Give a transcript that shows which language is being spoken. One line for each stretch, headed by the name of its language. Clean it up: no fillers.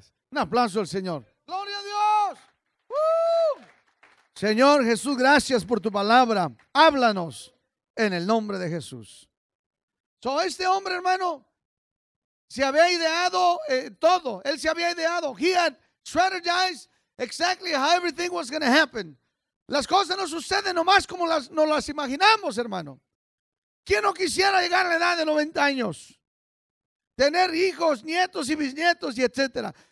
Spanish: Un aplauso al Señor. ¡Gloria a Dios! Señor Jesús, gracias por tu palabra. Háblanos en el nombre de Jesús. So, este hombre, hermano, se había ideado todo. Él se había ideado.
English: He had strategized exactly how everything was going to happen.
Spanish: Las cosas no suceden nomás como nos las imaginamos, hermano. ¿Quién no quisiera llegar a la edad de 90 años? Tener hijos, nietos y bisnietos y etcétera.